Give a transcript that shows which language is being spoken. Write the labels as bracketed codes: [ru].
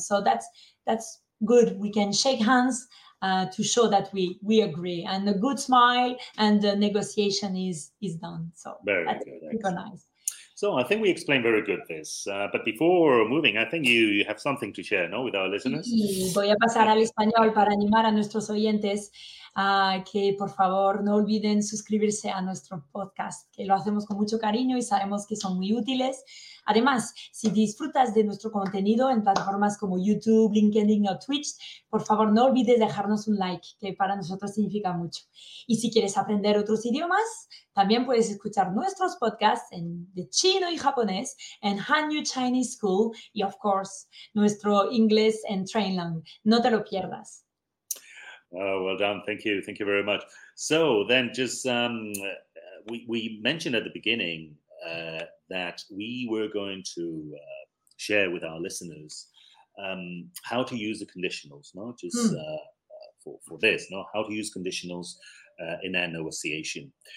[en] So that's good. We can shake hands to show that we agree. And a good smile and the negotiation is done. So very good. Nice. So I think we explained very good this. But before moving, I think you have something to share, no, with our listeners. [es] Sí, voy a pasar al español para animar a nuestros oyentes. Que por favor no olviden suscribirse a nuestro podcast, que lo hacemos con mucho cariño y sabemos que son muy útiles. Además, si disfrutas de nuestro contenido en plataformas como YouTube, LinkedIn o Twitch, por favor no olvides dejarnos un like, que para nosotros significa mucho. Y si quieres aprender otros idiomas, también puedes escuchar nuestros podcasts en de chino y japonés en Hanyu Chinese School y, of course, nuestro inglés en Trainland. No te lo pierdas. [en] Oh, well done. Thank you. Thank you very much. So then just we mentioned at the beginning that we were going to share with our listeners how to use the conditionals, not just for this, not how to use conditionals in a negotiation.